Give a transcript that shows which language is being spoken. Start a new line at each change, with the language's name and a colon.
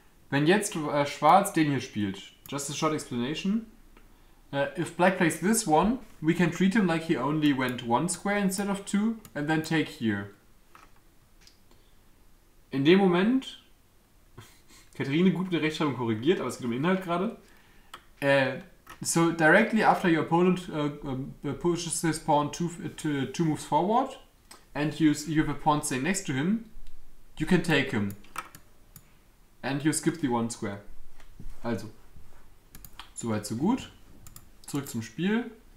German: Wenn jetzt Schwarz den hier spielt,
English: just a short explanation. If Black plays this one, we can treat him like he only went one square instead of two and then take here.
German: In dem Moment, Katharine, gut in der Rechtschreibung korrigiert, aber es geht um Inhalt gerade.
English: So directly after your opponent pushes his pawn two moves forward and you have a pawn staying next to him, you can take him. And you skip the one square.
German: Also, soweit so gut. Zurück zum Spiel.